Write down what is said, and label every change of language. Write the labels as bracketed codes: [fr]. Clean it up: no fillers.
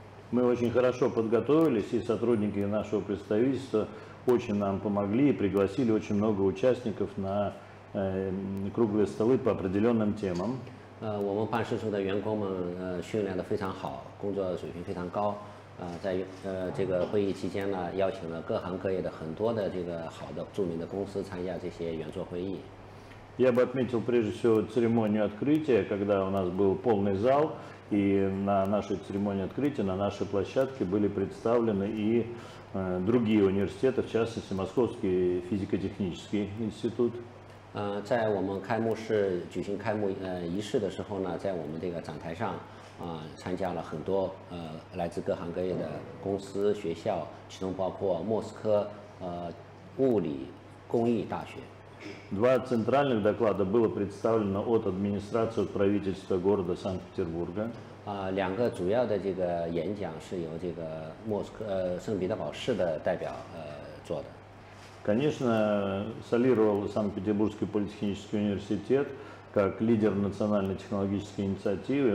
[ru] Мы очень хорошо подготовились, и сотрудники нашего представительства очень нам помогли и пригласили очень много участников на круглые столы по определенным темам. [zh] 我们办事处的员工们训练得非常好，工作水平非常高。在这个会议期间呢，邀请了各行各业的很多的这个好的著名的公司参加这些圆桌会议。 [ru] Я бы отметил прежде всего церемонию открытия, когда у нас был полный зал, и на нашей церемонии открытия, на нашей площадке были представлены и другие университеты, в частности, Московский физико-технический институт. [zh] 在我们开幕式举行开幕仪式的时候呢，在我们这个展台上，参加了很多来自各行各业的公司、学校，其中包括莫斯科物理工艺大学。 [ru] Два центральных доклада было представлено от администрации от правительства города Санкт-Петербурга. Конечно, солировал Санкт-Петербургский политехнический университет как лидер национальной технологической инициативы.